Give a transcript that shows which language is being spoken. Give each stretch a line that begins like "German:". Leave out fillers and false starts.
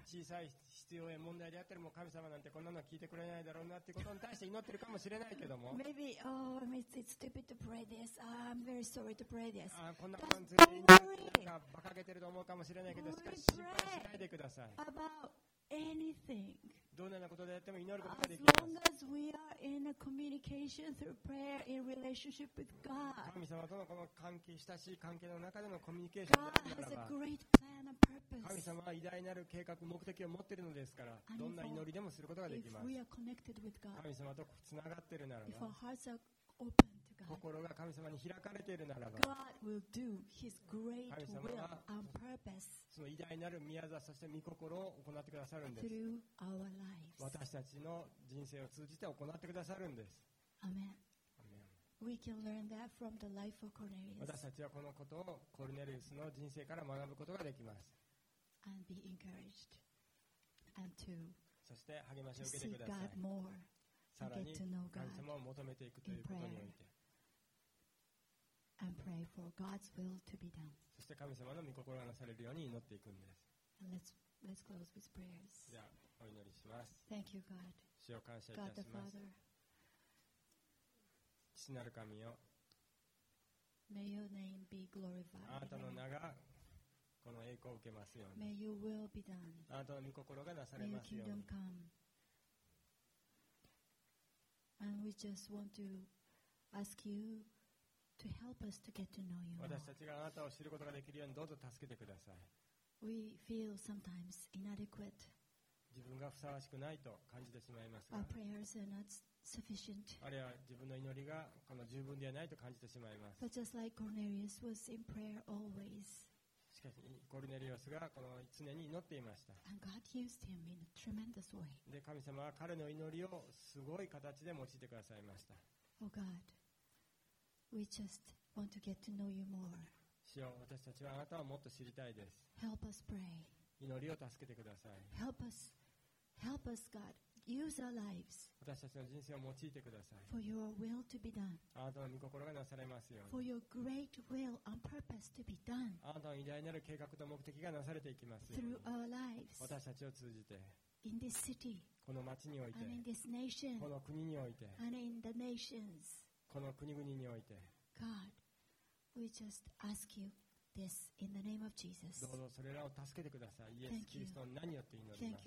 Japanese: 小さい必要や問題であっても神様なんてこんなの聞いてくれないだろうなってことに対して祈ってるかもしれないけども。
English: Maybe oh, it's stupid to pray this. I'm very sorry to pray this.
Japanese: あ、こんなことについて祈りが馬鹿げてると思うかもしれないけど、しかし心配しないでください。
English: About anything.
Japanese: どんなことであっても祈ることができます。
English: As long as we are in a communication through prayer in relationship with God,
Japanese: 神様とのこの関係、親しい関係の中でのコミュニケーションであるならば、
English: God has a great plan and purpose.
Japanese: 神様は偉大なる計画、目的を持っているのですから、どんな祈りでもすることができます。
English: If we are connected with God,
Japanese: 神様とつながっているならば、
English: If our hearts are open to God,
Japanese: 心が神様に開かれているならば、
English: God will do His great will and purpose.
Japanese: その偉大なる御業、そして御心を行ってくださるんです。私たちの人生を通じて行ってくださるんです。アメン。
English: We can learn that from the life of Cornelius.
Japanese: 私たちはこのことをコルネリウスの人生から学ぶことができます。
English: And be encouraged. And to
Japanese: そして励ましを受けてください。
English: Seek God more.
Japanese: さらに神様を求めていくということにおいて。
English: And pray for God's will to be done.
Japanese: そして神様の御心がなされるように祈っていくんです。
English: And let's close with prayers.
Japanese: じゃあお祈りします。
English: Thank you, God.
Japanese: 主を感謝いたします。
English: God the Father.
Japanese: 父なる神よ、
English: May your name be glorified.
Japanese: あなたの名がこの栄光を受けますように。
English: May your will be done.
Japanese: あなたの御心がなされますように。
English: May your kingdom come. And we just want to ask you to help us to get to know you.
Japanese: 私たちがあなたを知ることができるようにどうぞ助けてください。
English: We feel sometimes inadequate.
Japanese: 自分がふさわしくないと感じてしまいますが。
English: Our prayers are not. Sufficient.
Japanese: あるいは自分の祈りがこの十分ではないと感じてしまいます。
English: But just like Cornelius was in prayer always.
Japanese: しかし、コルネリウスがこの常に祈っていました。
English: And God used him in a tremendous way.
Japanese: で、神様は彼の祈りをすごい形で用いてくださいました。
English: Oh God, we just want to get to know you more.
Japanese: 主よ、私たちはあなたをもっと知りたいです。
English: Help us pray.
Japanese: 祈りを助けてください。
English: Help us, help us, God. Use our lives.
Japanese: 私たちの人生を用いてください。
English: For your will to be done.
Japanese: あなたの御心がなされますように。
English: For your great will and purpose to be done.
Japanese: あなたの偉大なる計画と目的がなされていきますように。
English: Through our lives.
Japanese: 私たちを通じて。
English: In this city.
Japanese: この町において。
English: And in this nation.
Japanese: この国において。
English: And in the nations.
Japanese: この国々において。
English: God, we just ask you this in the name of Jesus.
Japanese: どうぞそれらを助けてください。イエス・キリストの名によって祈ります。